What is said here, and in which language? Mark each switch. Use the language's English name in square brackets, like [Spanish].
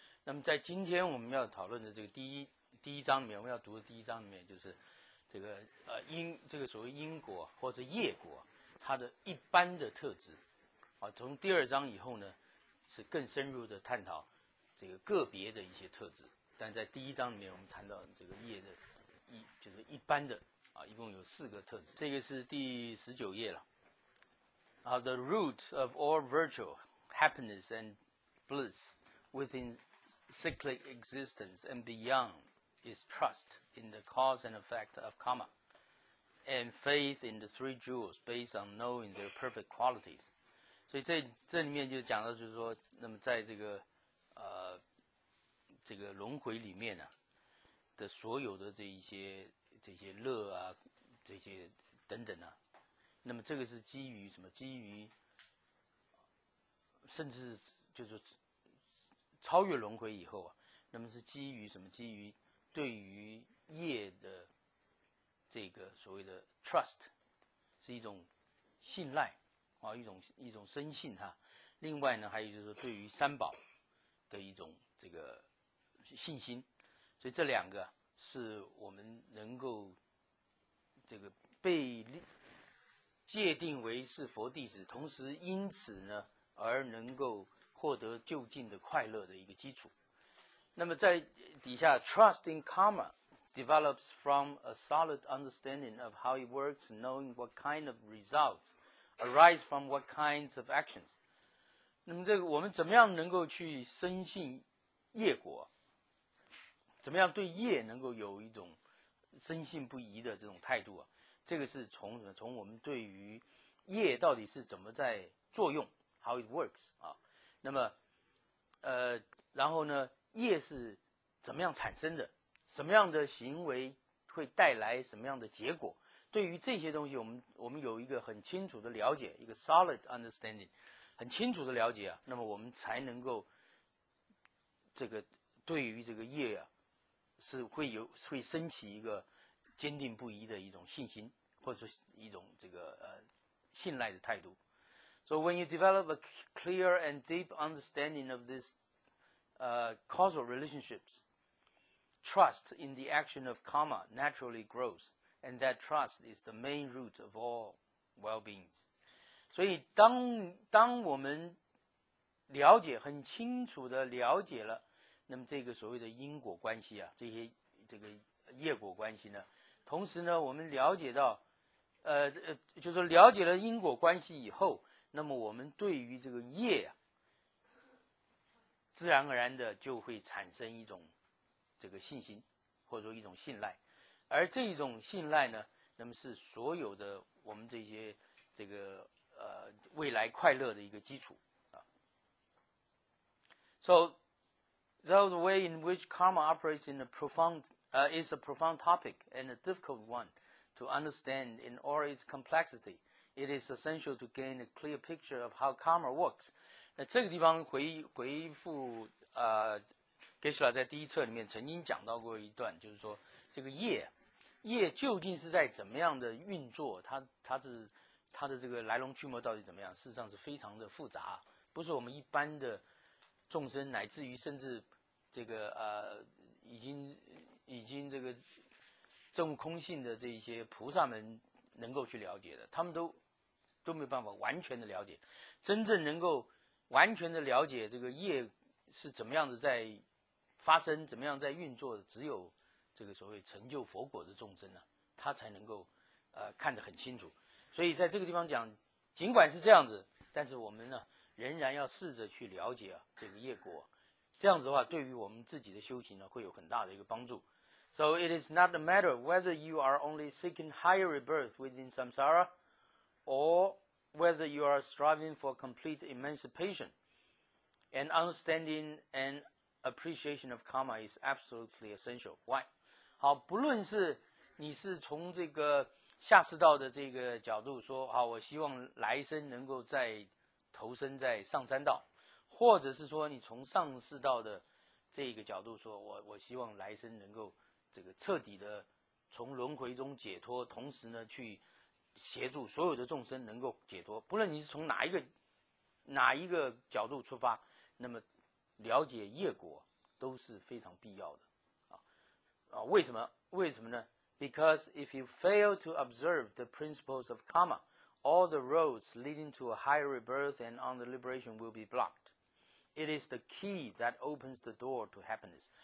[Chinese] 那么在今天我们要讨论的这个第一章里面，我们要读的第一章里面，就是这个这个所谓因果或者业果它的一般的特质啊。从第二章以后呢，是更深入的探讨这个个别的一些特质。但在第一章里面我们谈到这个业的就是一般的啊，一共有四个特质。这个是第十九页了。 [English] The root of all virtue, happiness and bliss within cyclic existence and beyond is trust in the cause and effect of karma and faith in the three jewels based on knowing their perfect qualities. [Chinese] 所以这里面就讲到，就是说那么在这个轮回里面呢、的所有的这些乐啊，这些等等啊，那么这个是基于什么？基于甚至就是超越轮回以后啊，那么是基于什么？基于对于业的这个所谓的 trust， 是一种信赖啊，一种深信哈。另外呢，还有就是说对于三宝的一种这个信心。所以这两个是我们能够这个被界定为是佛弟子，同时因此呢而能够获得究竟的快乐的一个基础。那么在底下 [English] Trust in karma develops from a solid understanding of how it works, knowing what kind of results arise from what kinds of actions. [Chinese] 那么这个我们怎么样能够去深信业果，怎么样对业能够有一种深信不疑的这种态度啊？这个是从我们对于业到底是怎么在作用 ， [English] how it works [Chinese] 啊。那么，然后呢，业是怎么样产生的？什么样的行为会带来什么样的结果？对于这些东西，我们有一个很清楚的了解，一个 [English] solid understanding， [Chinese] 很清楚的了解啊。那么我们才能够这个对于这个业啊。是会升起一个坚定不移的一种信心，或者说一种这个信赖的态度。 [English] So when you develop a clear and deep understanding of this causal relationships, trust in the action of karma naturally grows, and that trust is the main root of all well-beings. [Chinese] 所以当我们了解，很清楚的了解了那么这个所谓的因果关系啊，这些这个业果关系呢，同时呢我们了解到就是了解了因果关系以后，那么我们对于这个业啊，自然而然的就会产生一种这个信心，或者说一种信赖。而这一种信赖呢，那么是所有的我们这些这个未来快乐的一个基础啊。 [English] So, so the way in which karma operates in a profound, is a profound topic and a difficult one to understand in all its complexity. It is essential to gain a clear picture of how karma works. [Chinese] 那这个地方回复给希腊在第一册里面曾经讲到过一段，就是说这个业究竟是在怎么样的运作，它的这个来龙去脉到底怎么样，事实上是非常的复杂，不是我们一般的众生乃至于甚至这个已经这个证悟空性的这一些菩萨们能够去了解的，他们都没办法完全的了解，真正能够完全的了解这个业是怎么样的在发生，怎么样在运作的，只有这个所谓成就佛果的众生呢、啊，他才能够看得很清楚。所以在这个地方讲，尽管是这样子，但是我们呢仍然要试着去了解、啊、这个业果，这样子的话，对于我们自己的修行呢会有很大的一个帮助。 [English] So it is not a matter whether you are only seeking higher rebirth within samsara, or whether you are striving for complete emancipation. And understanding and appreciation of karma is absolutely essential. Why? [Chinese] 好，不论是你是从这个下士道的这个角度说，好，我希望来生能够再投身在上三道，或者是说你从上士道的这个角度说，我希望来生能够这个彻底的从轮回中解脱，同时呢去协助所有的众生能够解脱，不论你是从哪一个角度出发，那么了解业果都是非常必要的啊。为什么呢？ [English] Because if you fail to observe the principles of karma, all the roads leading to a higher rebirth and on the liberation will be blocked. It is the key that opens the door to happiness.